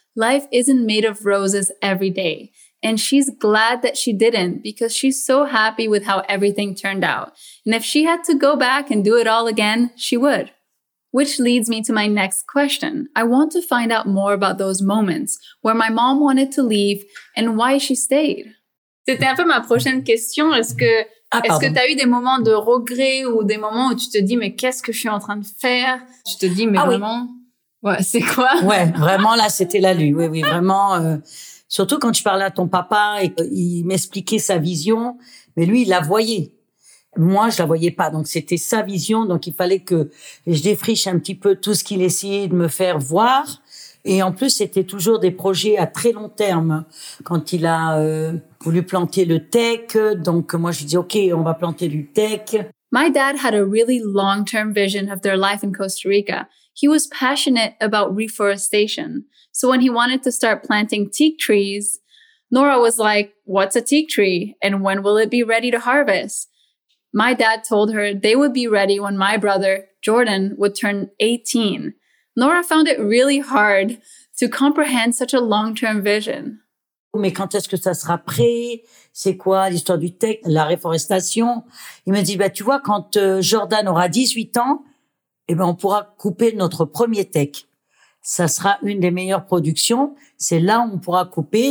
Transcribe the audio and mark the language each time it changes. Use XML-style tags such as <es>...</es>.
<en>Life isn't made of roses every day. And she's glad that she didn't because she's so happy with how everything turned out. And if she had to go back and do it all again, she would. Which leads me to my next question. I want to find out more about those moments where my mom wanted to leave and why she stayed.</en> <fr>C'était un peu ma prochaine question. Est-ce que t'as eu des moments de regret ou des moments où tu te dis, mais qu'est-ce que je suis en train de faire? Tu te dis, mais ah, vraiment, oui. Ouais, c'est quoi? Ouais, vraiment, là, c'était la lune. Oui, vraiment. Surtout quand je parlais à ton papa et qu'il m'expliquait sa vision, mais lui, il la voyait. Moi, je la voyais pas. Donc, c'était sa vision. Donc, il fallait que je défriche un petit peu tout ce qu'il essayait de me faire voir. Et en plus, c'était toujours des projets à très long terme. Quand il a voulu planter le tech, donc moi, je dis, OK, on va planter du tech.</fr> <en>My dad had a really long-term vision of their life in Costa Rica. He was passionate about reforestation. So when he wanted to start planting teak trees, Nora was like, what's a teak tree? And when will it be ready to harvest? My dad told her they would be ready when my brother, Jordan, would turn 18. Nora found it really hard to comprehend such a long-term vision.</en> <fr>mais quand est-ce que ça sera prêt? C'est quoi l'histoire du tech, la réforestation? Il me dit, bah, tu vois, quand Jordan aura 18 ans, eh ben, on pourra couper notre premier tech. Ça sera une des meilleures productions. C'est là où on pourra couper.</fr>